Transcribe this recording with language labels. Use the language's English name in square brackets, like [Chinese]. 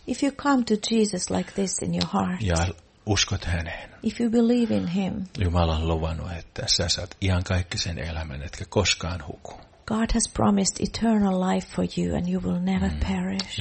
[English] If you come to Jesus like this in your heart. [Finnish] Ja uskot häneen. [English] If you believe in him. [Finnish] Jumala on luvannut, että sä saat iankaikkisen elämän, etkä koskaan huku. [English] God has promised eternal life for you and you will never perish.